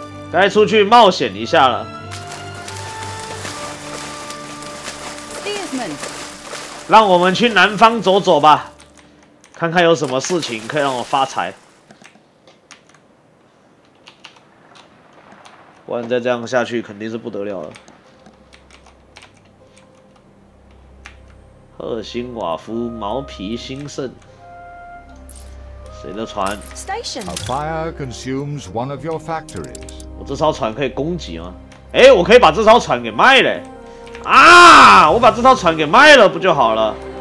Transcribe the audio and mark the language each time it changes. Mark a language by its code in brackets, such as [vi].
[zh] 该出去冒险一下了。Steersman， 让我们去南方走走吧，看看有什么事情可以让我发财。不然再这样下去，肯定是不得了了。赫辛瓦夫毛皮兴盛。谁的船 [en] ？Station. A fire consumes one of your factories. [zh] 我这艘船可以攻击吗？哎，我可以把这艘船给卖了。啊！我把这艘船给卖了不就好了